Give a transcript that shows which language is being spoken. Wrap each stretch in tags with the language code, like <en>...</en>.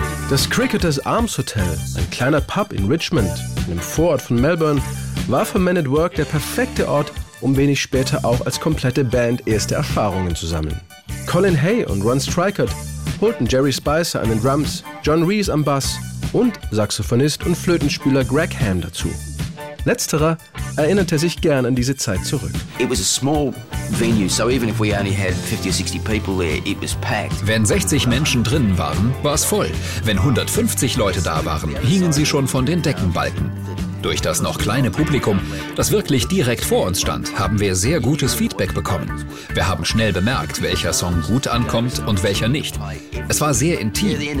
<de>Das Cricketers Arms Hotel, ein kleiner Pub in Richmond, einem Vorort von Melbourne, war für Man at Work der perfekte Ort, um wenig später auch als komplette Band erste Erfahrungen zu sammeln. Colin Hay und Ron Streichert holten Jerry Spicer an den Drums, John Rees am Bass und Saxophonist und Flötenspieler Greg Hamm dazu. Letzterer erinnerte sich gern an diese Zeit zurück.</de> <en>It was a small venue, so even if we only had 50 or 60 people there, it was packed.</en> <de>Wenn 60 Menschen drinnen waren, war es voll. Wenn 150 Leute da waren, hingen sie schon von den Deckenbalken. Durch das noch kleine Publikum, das wirklich direkt vor uns stand, haben wir sehr gutes Feedback bekommen. Wir haben schnell bemerkt, welcher Song gut ankommt und welcher nicht. Es war sehr intim.</de>